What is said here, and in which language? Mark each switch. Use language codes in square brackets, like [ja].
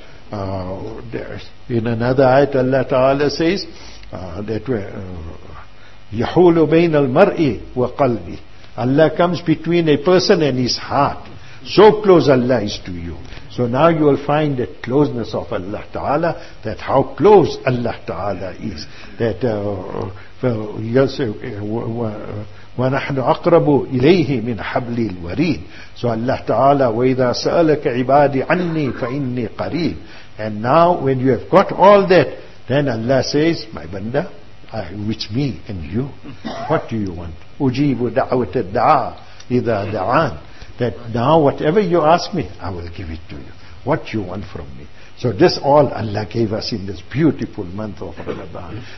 [en] In another ayat, Allah Ta'ala says, [ar] يَحُولُ بَيْنَ الْمَرْءِ وَقَلْبِ. [en] Allah comes between a person and his heart. So close Allah is to you. So now you will find the closeness of Allah Ta'ala, that how close Allah Ta'ala is. [ar] That وَنَحْنُ أَقْرَبُ إِلَيْهِ مِنْ حَبْلِ الْوَرِيدِ. [en] So Allah Ta'ala, [ar] وَإِذَا سَأَلَكَ عِبَادِ عَنِّي فَإِنِّي قَرِيبٌ. [en] And now when you have got all that, then Allah says, my banda, which me and you, what do you want? [ar] Ujibu da'wata da'a idha da'an. [en] That now whatever you ask me, I will give it to you. What you want from me? So this all Allah gave us in this beautiful month of Ramadan.